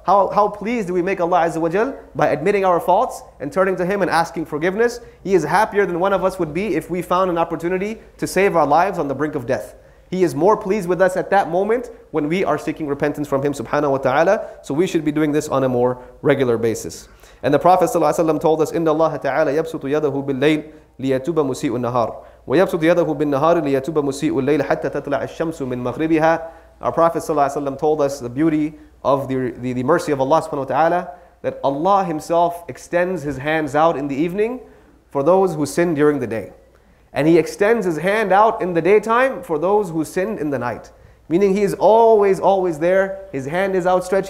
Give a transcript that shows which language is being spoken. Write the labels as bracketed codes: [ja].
[en] How pleased do we make Allah Azza wa Jal by admitting our faults and turning to Him and asking forgiveness? He is happier than one of us would be if we found an opportunity to save our lives on the brink of death. He is more pleased with us at that moment when we are seeking repentance from Him, subhanahu wa ta'ala. So we should be doing this on a more regular basis. And the Prophet ﷺ told us, [ar] إِنَّ اللَّهَ تَعَالَى يَبْسُطُ يَدَهُ بِاللَّيْلِ لِيَتُوبَ مُسِيءُ النَّهَارِ وَيَبْسُطُ يَدَهُ بِالنَّهَارِ لِيَتُوبَ مُسِيءُ اللَّيْلِ حَتَّى تَطْلَعَ الشَّمْسُ مِنْ مَغْرِبِهَا. [en] Our Prophet ﷺ told us the beauty of the mercy of Allah subhanahu wa ta'ala, that Allah Himself extends His hands out in the evening for those who sin during the day. And He extends His hand out in the daytime for those who sinned in the night. Meaning He is always, always there. His hand is outstretched.